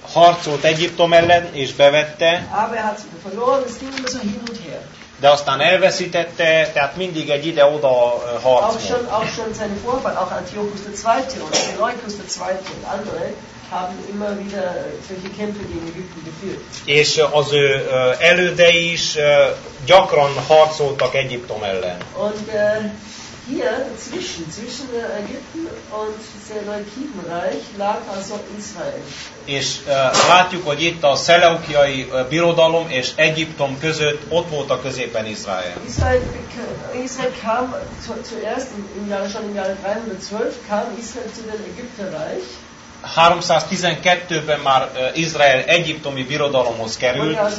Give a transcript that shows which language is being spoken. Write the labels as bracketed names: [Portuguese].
[Hungarian] Harcolt Egyiptom ellen és bevette. [German] Aber er hat verloren, es ging immer so hin und her. [Hungarian] De aztán elveszítette, tehát mindig egy ide-oda harcolt. [German] Auch schon, auch schon seine Vorfahren, auch Antiochus der Zweite und Seleukos der Zweite und andere haben immer wieder solche Kämpfe gegen Ägypten geführt. [Hungarian] És az ő elődei is gyakran harcoltak Egyiptom ellen. [German] Und hier dazwischen, zwischen Ägypten und Seleukidenreich lag also Israel. [Hungarian] És látjuk, hogy itt a Szeleukiai birodalom és Egyiptom között ott volt a középen Izrael. [German] Israel kam zuerst im Jahr schon im Jahr 312 kam Israel zu den Ägypterreich. [Hungarian] 312-ben már Izrael egyiptomi birodalomhoz került.